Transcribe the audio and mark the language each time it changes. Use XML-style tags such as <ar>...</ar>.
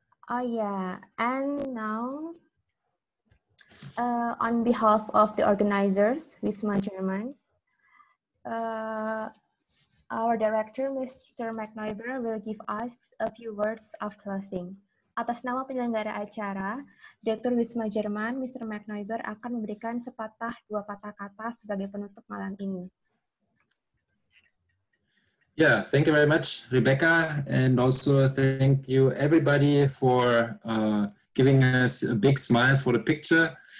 <en>Oh yeah, and now on behalf of the organizers, Wisma German, our director, Mr. McNeiber, will give us a few words of closing.</en> <id>Atas nama penyelenggara acara, Direktur Wisma Jerman, Mr. McNeiber, akan memberikan sepatah dua patah kata sebagai penutup malam ini.</id> <en>Yeah, thank you very much, Rebecca, and also thank you everybody for giving us a big smile for the picture.</en>